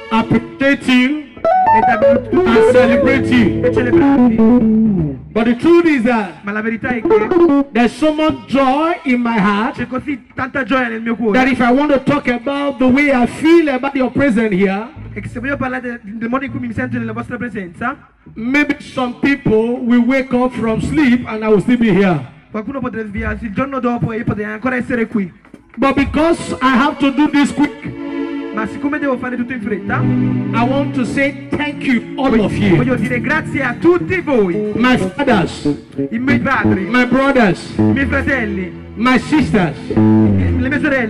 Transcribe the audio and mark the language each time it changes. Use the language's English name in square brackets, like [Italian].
[English] Appreciate you and celebrate you. [Italian] E celebrarti. [English] But the truth is that, [Italian] ma la verità è che [English] there's so much joy in my heart. [Italian] C'è così tanta gioia nel mio cuore. [English] That if I want to talk about the way I feel about your presence here. [Italian] E se voglio parlare del modo in cui mi sento nella vostra presenza, [English] maybe some people will wake up from sleep and I will still be here. [Italian] Qualcuno potrebbe svegliarsi il giorno dopo e io potrei ancora essere qui. [English] But because I have to do this quick, [Italian] ma siccome devo fare tutto in fretta, [English] I want to say thank you all of you. [Italian] Voglio dire grazie a tutti voi. [English] My fathers, [Italian] i miei padri. [English] My brothers, [Italian] i miei fratelli. [English] My sisters, [Italian] le mie sorelle.